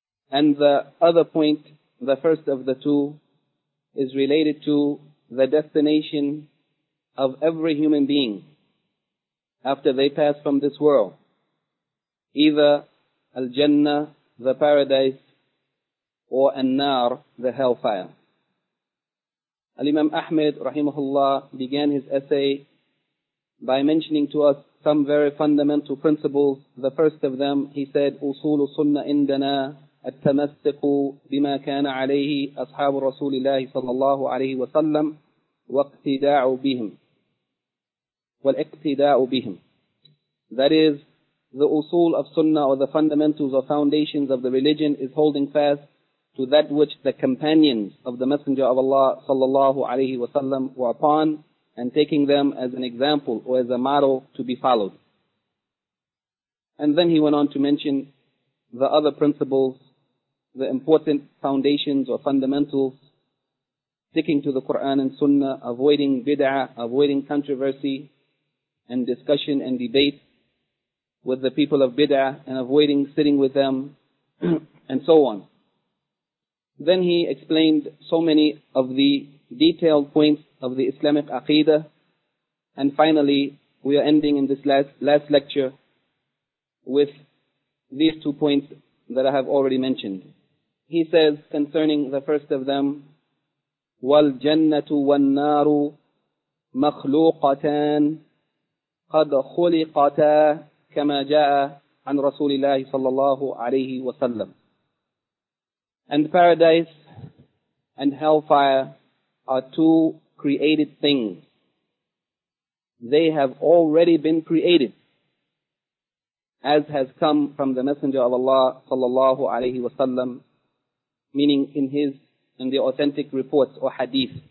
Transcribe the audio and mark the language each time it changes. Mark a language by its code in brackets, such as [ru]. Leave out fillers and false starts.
[en] And the other point, the first of the two, is related to the destination of every human being after they pass from this world, either Al-Jannah, the paradise, or An-Nar, the hellfire. Al-Imam Ahmed, rahimahullah, began his essay by mentioning to us some very fundamental principles. The first of them, he said, [ar] أصول سنة عندنا التمسك بما كان عليه أصحاب رسول الله صلى الله عليه وسلم واقتداء بهم. والاقتداء بهم. [en] That is, the usul of sunnah, or the fundamentals or foundations of the religion, is holding fast to that which the companions of the Messenger of Allah sallallahu alayhi wa sallam were upon, and taking them as an example or as a model to be followed. And then he went on to mention the other principles, the important foundations or fundamentals, sticking to the Quran and sunnah, avoiding bid'ah, avoiding controversy and discussion and debate with the people of bid'ah, and avoiding sitting with them and so on. Then he explained so many of the detailed points of the Islamic Aqeedah. And finally, we are ending in this last lecture with these two points that I have already mentioned. He says concerning the first of them, [ar] وَالْجَنَّةُ وَالنَّارُ مَخْلُوقَتَانِ قَدْ خُلِقَتَا كَمَا جَاءَ عَنْ رَسُولِ اللَّهِ صَلَّى اللَّهُ عَلَيْهِ وَسَلَّمُ. [en] And paradise and hellfire are two created things. They have already been created, as has come from the Messenger of Allah sallallahu alayhi wa sallam, meaning in the authentic reports or hadith.